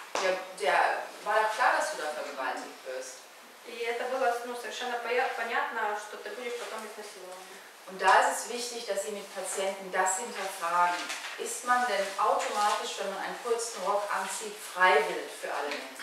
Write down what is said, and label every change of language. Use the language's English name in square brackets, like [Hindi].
[German] Ja, der war doch klar, dass du da vergewaltigt wirst. [Russian] И это было совершенно понятно, что ты будешь потом изнасилован. [German] Und da ist es wichtig, dass sie mit Patienten das hinterfragen. Ist man denn automatisch, wenn man einen kurzen Rock anzieht, freiwillig für alle